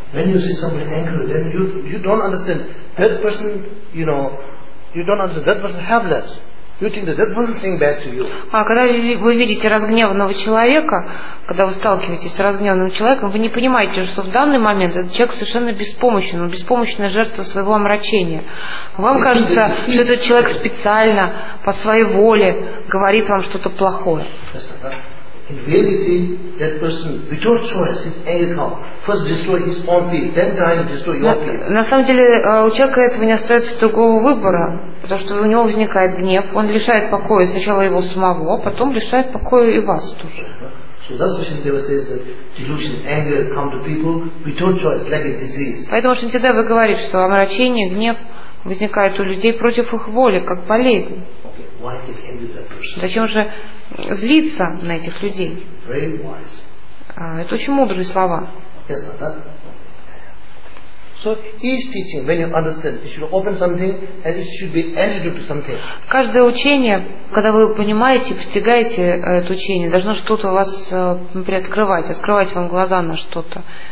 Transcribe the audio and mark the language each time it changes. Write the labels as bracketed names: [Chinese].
[English] When you see somebody angry, then you don't understand that person. You know, you don't understand that person helpless. [Russian] А когда вы видите разгневанного человека, когда вы сталкиваетесь с разгневанным человеком, вы не понимаете, что в данный момент этот человек совершенно беспомощен, он беспомощная жертва своего омрачения. Вам кажется, что этот человек специально, по своей воле, говорит вам что-то плохое. [English] In reality, that person, without choice, his anger comes. First destroy his own peace, then try and destroy your peace. [Russian] На самом деле, у человека этого не остается другого выбора, потому что у него возникает гнев, он лишает покоя сначала его самого, а потом лишает покоя и вас тоже. [English] So that's why Shantideva says that delusion, anger come to people without choice, like a disease. [Russian] Поэтому Шантидева говорит, что омрачение, гнев возникает у людей против их воли, как болезнь. [English] Okay. Why get angry with that person? [Russian] Зачем же злиться на этих людей? [English] Very wise. [Russian] Это очень мудрые слова. [English] Yes, not that. So each teaching, when you understand, it should open something, and it should be energy to something. [Russian] Каждое учение, когда вы понимаете, постигаете это учение, должно что-то вас приоткрывать, открывать вам глаза на что-то.